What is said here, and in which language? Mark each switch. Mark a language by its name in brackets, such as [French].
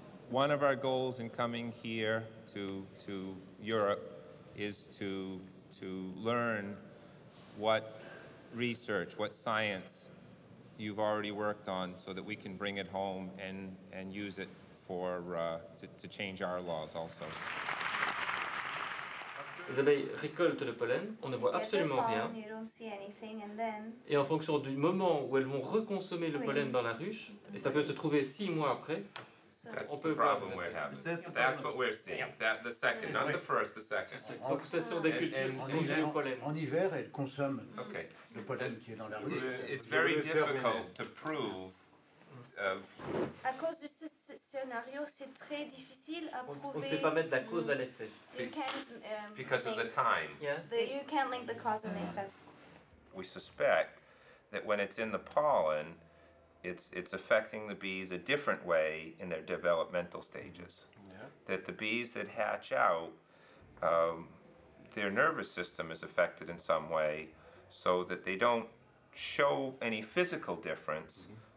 [English] One of our goals in coming here to Europe is to learn what research, what science you've already worked on, so that we can bring it home and use it for to change our laws also. [French] Les abeilles récoltent le pollen, on ne voit absolument rien. Et en fonction du moment où elles vont reconsommer le pollen dans la ruche, et ça peut se trouver 6 mois après, on peut voir. [English] That's what we're seeing. That the second, not the first, the second. [French] Donc ça sort des cultures, le pollen. En hiver, elles consomment le pollen qui est dans la ruche. [English] It's very difficult to prove. [French] À cause de ce scénario, c'est très difficile à prouver. On ne sait pas mettre la cause à l'effet. [English] Because of the time. Yeah. You can't link the cause and effect. We suspect that when it's in the pollen, it's affecting the bees a different way in their developmental stages. Yeah. That the bees that hatch out, their nervous system is affected in some way, so that they don't show any physical difference. Mm-hmm.